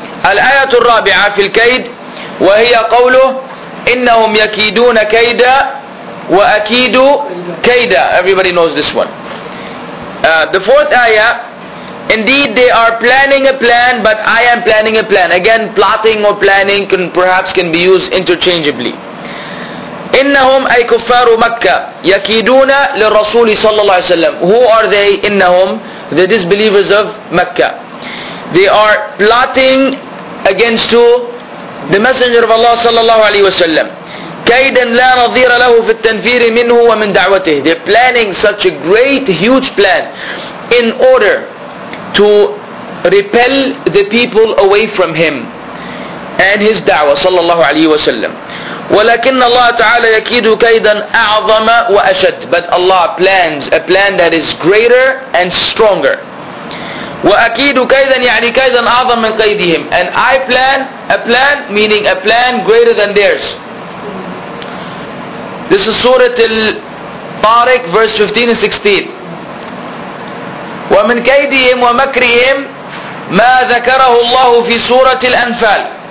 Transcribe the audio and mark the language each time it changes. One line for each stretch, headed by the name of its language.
Arabic: الآية الرابعة في الكيد وهي قوله إنهم يكيدون كيدا وأكيد كيدا.
English: Everybody knows this one. The fourth ayah, indeed they are planning a plan, but I am planning a plan. Again, plotting or planning can perhaps be used interchangeably.
Arabic: إنهم أي كفار مكة يكيدون للرسول صلى الله عليه وسلم.
English: Who are they? إنهم, the disbelievers of Mecca. They are plotting against who? The Messenger of Allah صلى الله عليه وسلم.
Arabic: كيدا لا نظير له في التنفير منه ومن دعوته.
English: They're planning such a great, huge plan in order to repel the people away from him and his da'wah صلى الله عليه وسلم.
Arabic: ولكن الله تعالى يكيد كيدا أعظم وأشد.
English: But Allah plans a plan that is greater and stronger.
Arabic: وأكيد كيدا يعني كيدا أعظم من قيدهم.
English: And I plan a plan, meaning a plan greater than theirs. This is Surah Al-Tariq, verse 15 and 16.
Arabic: وَمِنْ كَيْدِهِمْ وَمَكْرِهِمْ مَا ذَكَرَهُ اللَّهُ فِي سُورَةِ الْأَنْفَالِ.